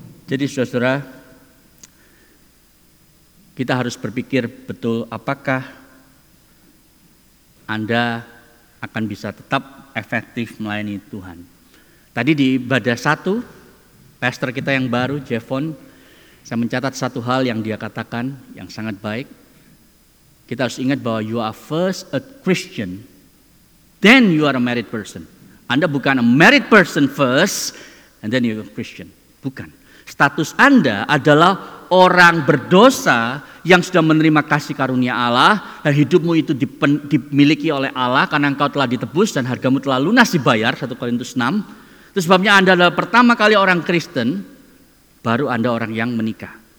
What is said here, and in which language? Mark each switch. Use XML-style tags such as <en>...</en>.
<id>Jadi saudara, kita harus berpikir betul, apakah Anda akan bisa tetap efektif melayani Tuhan. Tadi di ibadah 1, pastor kita yang baru, Jevon, saya mencatat satu hal yang dia katakan yang sangat baik. Kita harus ingat bahwa</id> <en>you are first a Christian, then you are a married person.</en> <id>Anda bukan</id> <en>a married person first, and then you are a Christian.</en> <id>Bukan. Status Anda adalah orang berdosa yang sudah menerima kasih karunia Allah, dan hidupmu itu dimiliki oleh Allah karena engkau telah ditebus dan hargamu telah lunas dibayar, 1 Korintus 6. Itu sebabnya Anda adalah pertama kali orang Kristen, baru Anda orang yang menikah.</id>